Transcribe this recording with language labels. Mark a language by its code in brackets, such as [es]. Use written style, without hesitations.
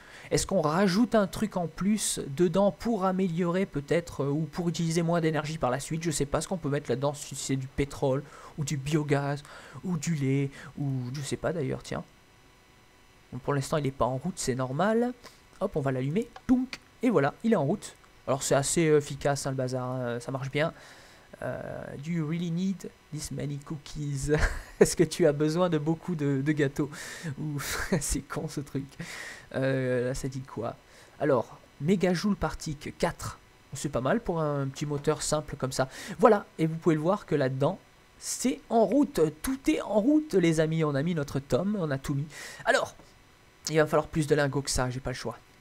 [fr] Est-ce qu'on rajoute un truc en plus dedans pour améliorer peut-être ou pour utiliser moins d'énergie par la suite? Je sais pas ce qu'on peut mettre là-dedans, si c'est du pétrole ou du biogaz ou du lait ou je sais pas d'ailleurs, tiens. Bon, pour l'instant il n'est pas en route, c'est normal. Hop, on va l'allumer. Donc, et voilà, il est en route. Alors c'est assez efficace hein, le bazar, hein, ça marche bien. [en] Do you really need this many cookies? [fr] Est-ce que tu as besoin de beaucoup de gâteaux? Ouf, c'est con ce truc. Là, ça dit quoi? Alors, mégajoule partique 4. C'est pas mal pour un petit moteur simple comme ça. Voilà, et vous pouvez le voir que là-dedans, c'est en route. Tout est en route, les amis. On a mis notre tome, on a tout mis. Alors, il va me falloir plus de lingots que ça, j'ai pas le choix.